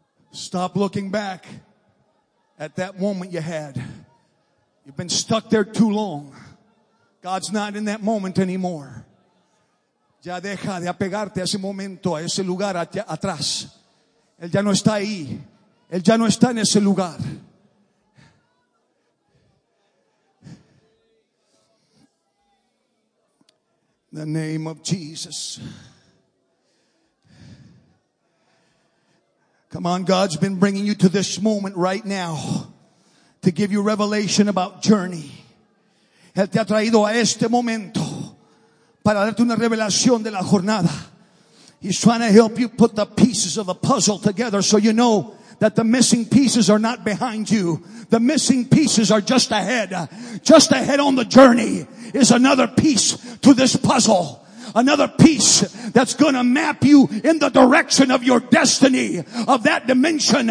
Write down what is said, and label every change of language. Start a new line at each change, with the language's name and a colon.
English: Stop looking back at that moment you had. You've been stuck there too long. God's not in that moment anymore.
Spanish: Ya deja de apegarte a ese momento, a ese lugar atrás. Él ya no está ahí. Él ya no está en ese lugar.
English: In the name of Jesus. Come on, God's been bringing you to this moment right now to give you revelation about journey.
Spanish: Él te ha traído a este momento para darte una revelación de la jornada.
English: He's trying to help you put the pieces of the puzzle together so you know that the missing pieces are not behind you. The missing pieces are just ahead. Just ahead on the journey is another piece to this puzzle. Another piece that's going to map you in the direction of your destiny, of that dimension.